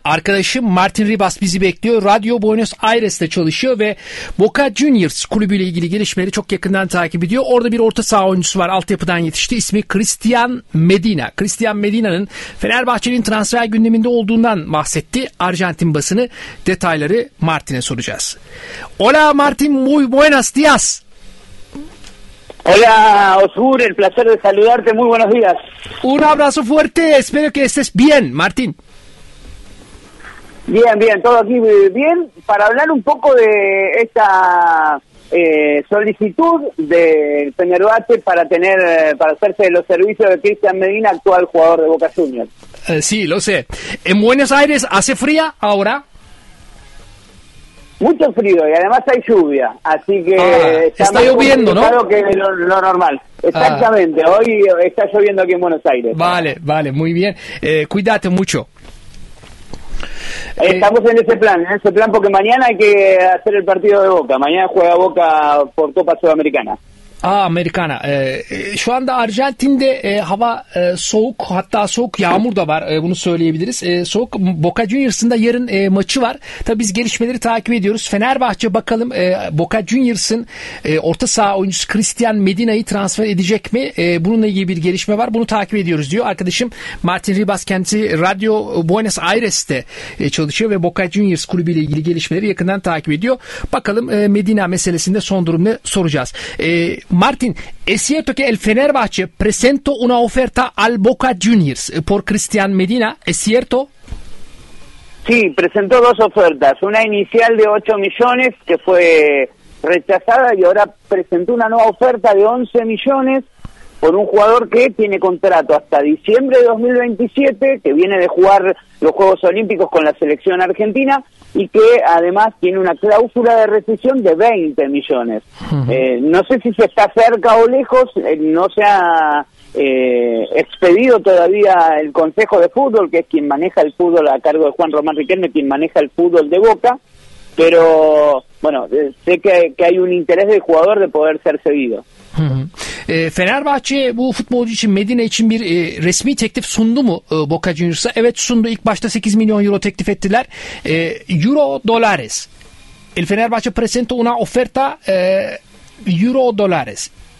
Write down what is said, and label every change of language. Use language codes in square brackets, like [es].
[tr] Arkadaşım Martin Ribas bizi bekliyor. Radyo Buenos Aires'te çalışıyor ve Boca Juniors kulübüyle ilgili gelişmeleri çok yakından takip ediyor. Orada bir orta saha oyuncusu var. Altyapıdan yetişti. İsmi Cristian Medina. Cristian Medina'nın Fenerbahçe'nin transfer gündeminde olduğundan bahsetti. Arjantin basını, detayları Martin'e soracağız. [es] Hola Martin, muy buenas días. Hola, Osur, el placer de saludarte, muy buenos días. Un abrazo fuerte, espero que estés bien, Martín. Bien, bien, todo aquí bien. Para hablar un poco de esta solicitud del Fenerbahce para tener, para hacerse los servicios de Cristian Medina, actual jugador de Boca Juniors. Sí, lo sé. ¿En Buenos Aires hace frío ahora? Mucho frío y además hay lluvia, así que está lloviendo, ¿no? Claro que lo normal. Exactamente, hoy está lloviendo aquí en Buenos Aires. Vale, vale, muy bien. Cuídate mucho. Estamos en ese plan porque mañana hay que hacer el partido de Boca. Mañana juega Boca por Copa Sudamericana. Amerikana. [tr] Şu anda Arjantin'de hava soğuk, hatta soğuk yağmur da var, bunu söyleyebiliriz. Soğuk. Boca Juniors'ın da yarın maçı var. Tabii biz gelişmeleri takip ediyoruz. Fenerbahçe bakalım Boca Juniors'ın orta saha oyuncusu Cristian Medina'yı transfer edecek mi? Bununla ilgili bir gelişme var. Bunu takip ediyoruz diyor arkadaşım. Martin Ribas kendisi Radyo Buenos Aires'te çalışıyor ve Boca Juniors kulübüyle ilgili gelişmeleri yakından takip ediyor. Bakalım Medina meselesinde son durumunu soracağız. [es] Martin, ¿es cierto que el Fenerbahçe presentó una oferta al Boca Juniors por Cristian Medina? ¿Es cierto? Sí, presentó dos ofertas. Una inicial de 8 millones que fue rechazada y ahora presentó una nueva oferta de 11 millones por un jugador que tiene contrato hasta diciembre de 2027, que viene de jugar los Juegos Olímpicos con la selección argentina y que además tiene una cláusula de rescisión de 20 millones. Uh-huh. No sé si se está cerca o lejos, no se ha expedido todavía el Consejo de Fútbol, que es quien maneja el fútbol a cargo de Juan Román Riquelme, quien maneja el fútbol de Boca, pero bueno, sé que hay un interés del jugador de poder ser cedido. [tr] Fenerbahçe bu futbolcu için Medina için bir resmi teklif sundu mu Boca Juniors'a? Evet sundu. İlk başta 8 milyon euro teklif ettiler. [es] Euro dolares. El Fenerbahçe presentó una oferta euro dolares.